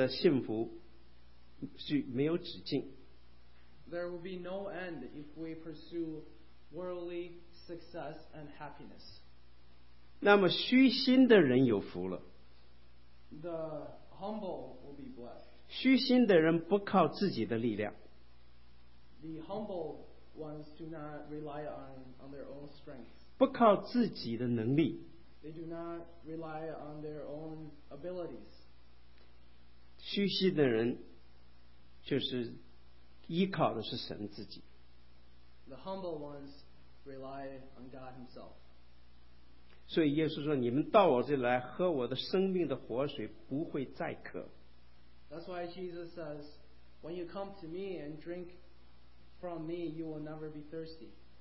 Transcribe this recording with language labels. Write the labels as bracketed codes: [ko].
[zh] 用属世的办法来追求所谓的成功，追求所谓的幸福，是没有止境。 [en] There will be no end if we pursue worldly success and happiness. [zh] 那么虚心的人有福了。 [en] The humble will be blessed. [zh] 虚心的人不靠自己的力量。 [en] The humble ones do not rely on their own strength. [zh] 不靠自己的能力。 [en] They do not rely on their own abilities. [zh] 虚心的人就是依靠的是神自己。 [en] The humble ones rely on God himself. [zh] 所以耶稣说，你们到我这里来喝我的生命的活水，不会再渴。 [en] That's why Jesus says, when you come to me and drink from me, you will never be thirsty.